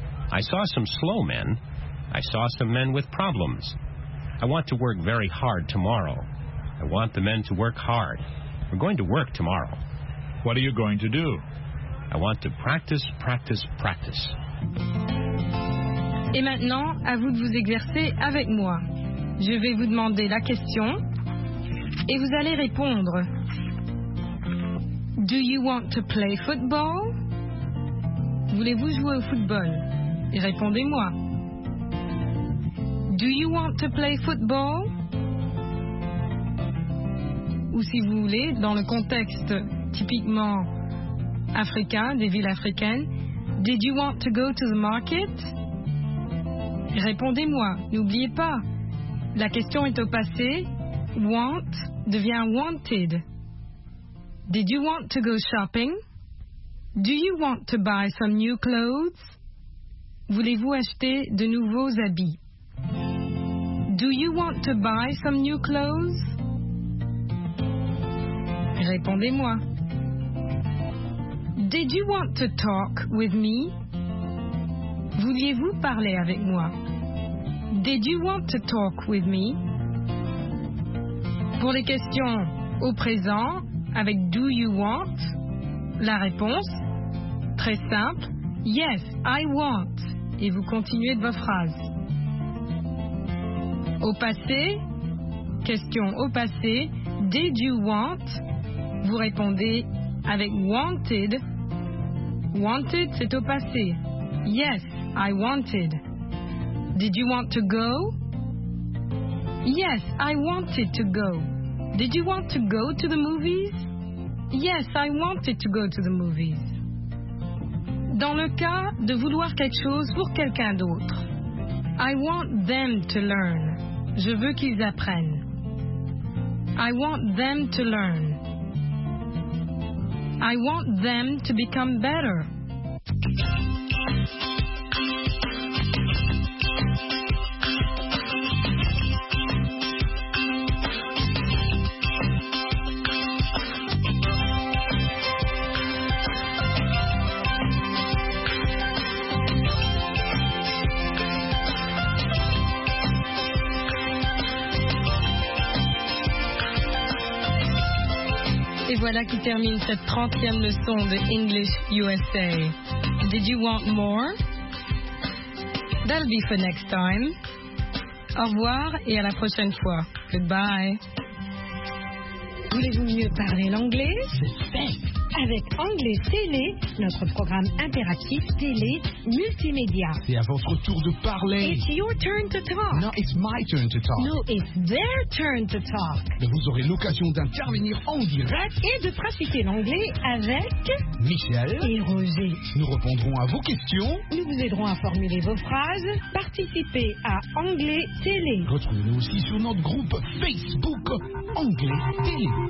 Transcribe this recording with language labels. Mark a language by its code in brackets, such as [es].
[en] I saw some slow men. I saw some men with problems. I want to work very hard tomorrow. I want the men to work hard. We're going to work tomorrow. What are you going to do? I want to practice, practice, practice. [fr] Et maintenant, à vous de vous exercer avec moi. Je vais vous demander la question et vous allez répondre. [en] Do you want to play football? [fr] Voulez-vous jouer au football? Répondez-moi. [en] Do you want to play football? [fr] Ou si vous voulez, dans le contexte typiquement africain, des villes africaines, [en] did you want to go to the market? [fr] Répondez-moi. N'oubliez pas, la question est au passé. Want devient wanted. [en] Did you want to go shopping? Do you want to buy some new clothes? [fr] Voulez-vous acheter de nouveaux habits? [en] Do you want to buy some new clothes? [fr] Répondez-moi. [en] Did you want to talk with me? [fr] Vouliez-vous parler avec moi? [en] Did you want to talk with me? [fr] Pour les questions au présent, avec « [en] Do you want ?» [fr] La réponse, très simple, « [en] Yes, I want. [fr] » Et vous continuez de vos phrases. Au passé, question au passé, « [en] Did you want ?» [fr] Vous répondez avec « Wanted. » « Wanted », c'est au passé. [en] « Yes, I wanted. » « Did you want to go ?»« Yes, I wanted to go. » « Did you want to go to the movies ?» Yes, I wanted to go to the movies. [fr] Dans le cas de vouloir quelque chose pour quelqu'un d'autre. [en] I want them to learn. [fr] Je veux qu'ils apprennent. [en] I want them to learn. I want them to become better. [fr] Voilà qui termine cette 30e leçon de English USA. [en] Did you want more? That'll be for next time. [fr] Au revoir et à la prochaine fois. [en] Goodbye. [fr] Voulez-vous mieux parler l'anglais? Avec Anglais Télé, notre programme interactif télé multimédia. C'est à votre tour de parler. [en] It's your turn to talk. No, it's my turn to talk. No, it's their turn to talk. [fr] Mais vous aurez l'occasion d'intervenir en direct et de pratiquer l'anglais avec Michel et Roger. Nous répondrons à vos questions. Nous vous aiderons à formuler vos phrases. Participez à Anglais Télé. Retrouvez-nous aussi sur notre groupe Facebook Anglais Télé.